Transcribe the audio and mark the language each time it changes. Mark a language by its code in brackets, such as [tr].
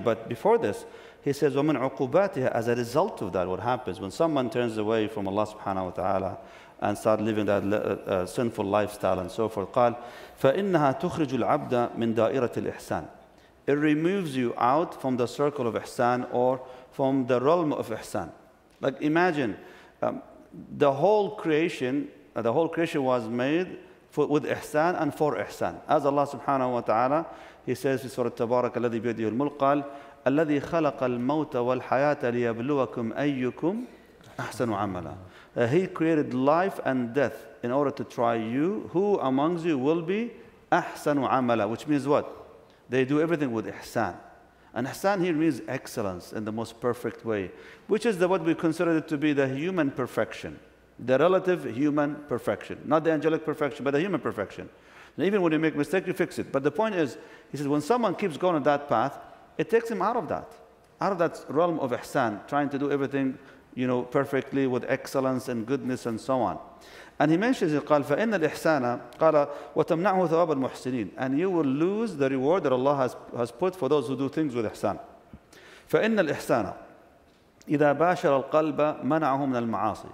[en] But before this, he says, [ar] وَمِنْ عُقُوبَاتِهَا, [en] as a result of that, what happens when someone turns away from Allah subhanahu wa ta'ala and start living that sinful lifestyle and so forth, [ar] قال, فَإِنَّهَا تُخْرِجُ الْعَبْدَ مِنْ دَائِرَةِ الْإِحْسَانِ. [en] It removes you out from the circle of ihsan or from the realm of ihsan. Like imagine, the whole creation was made with ihsan and for ihsan. As Allah subhanahu wa ta'ala, he says in Surah Tabarak, [ar] الَّذِي بِيَدِهِ الْمُلْكُ قَالَ الَّذِي خَلَقَ الْمَوْتَ وَالْحَيَاةَ لِيَبْلُوَكُمْ أَيُّكُمْ أَحْسَنُ عَمَلًا. [en] He created life and death in order to try you, who amongst you will be [ar] أَحْسَنُ عَمَلًا, [en] which means what? They do everything with ihsan. And ihsan here means excellence in the most perfect way, which is what we consider it to be the human perfection, the relative human perfection, not the angelic perfection, but the human perfection. And even when you make a mistake, you fix it. But the point is, he says, when someone keeps going on that path, it takes him out of that realm of ihsan, trying to do everything, you know, perfectly with excellence and goodness and so on. And he mentions it, [ar] قال فإن الإحسان قال وتمنعه ثواب المحسنين, [en] and you will lose the reward that Allah has put for those who do things with إحسان. [ar] فإن الإحسان إذا باشر القلب منعه من المعاصي.